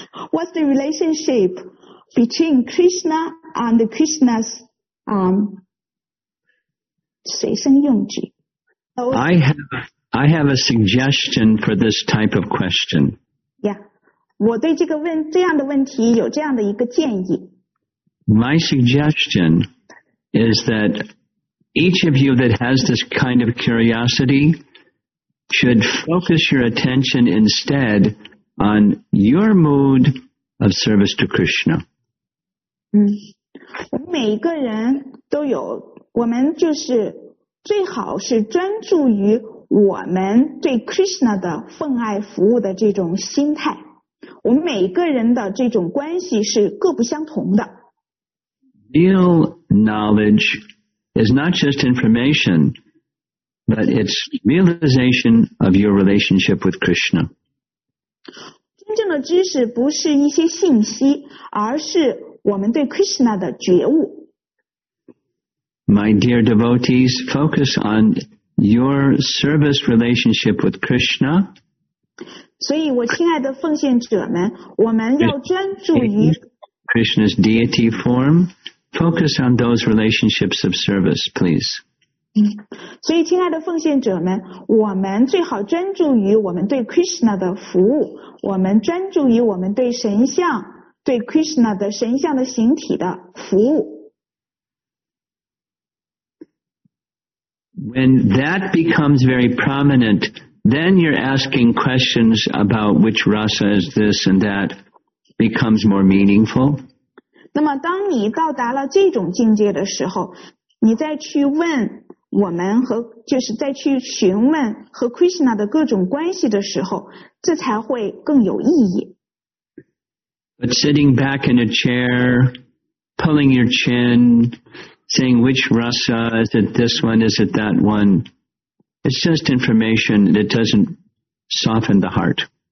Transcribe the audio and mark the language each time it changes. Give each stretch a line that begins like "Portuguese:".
English: What's the relationship between Krishna and Krishna's
Chinese: 随身用具？
English: I have a suggestion for this type of question.
Chinese: Yeah, 我对这个问这样的问题有这样的一个建议。
English: My suggestion. Is that each of you that has this kind of curiosity should focus your attention instead on your mood of service to Krishna.
Chinese: 每个人都有，我们就是最好是专注于我们对 Krishna 的奉爱服务的这种心态。我们每个人的这种关系是各不相同的。
English: Real knowledge is not just information, but it's realization of your relationship with Krishna.
Chinese: 真正的知识不是一些信息，而是我们对 Krishna 的觉悟。
English: My dear devotees, focus on your service relationship with Krishna.
Chinese: 所以我亲爱的奉献者们，我们要专注于
English: Krishna's deity form. Focus on those relationships of service, please.
Chinese: 所以亲爱的奉献者们，我们最好专注于我们对 Krishna 的服务，我们专注于我们对神像，对 Krishna 的神像的形体的服务。
English: When that becomes very prominent, then you're asking questions about which rasa is this and that becomes more meaningful.
Chinese: 那么当你到达了这种境界的时候，你再去问我们和就是再去询问和 Krishna 的各种关系的时候，这才会更有意义。
English: But sitting back in a chair, pulling your chin, saying which rasa, is it this one, is it that one? It's just information that doesn't soften the heart.